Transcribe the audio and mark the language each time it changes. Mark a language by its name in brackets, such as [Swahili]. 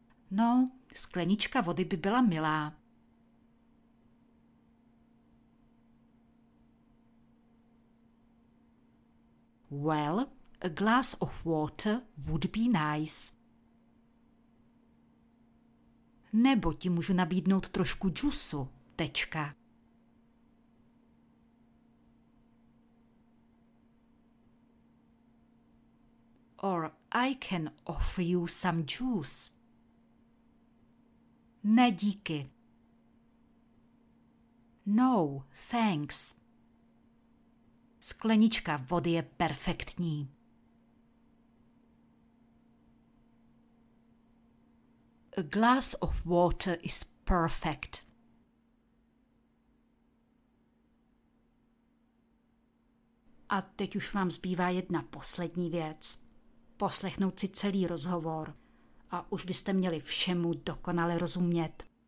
[Czech] No, sklenička vody by byla milá. [English] Well, a glass of water would be nice. [Czech] Nebo ti můžu nabídnout trošku džusu, tečka. [English] Or I can offer you some juice. [Czech] Ne, díky. [English] No, thanks. [Czech] Sklenička vody je perfektní. [English] A glass of water is perfect. [Czech] A teď už vám zbývá jedna poslední věc. Poslechnout si celý rozhovor a už byste měli všemu dokonale rozumět.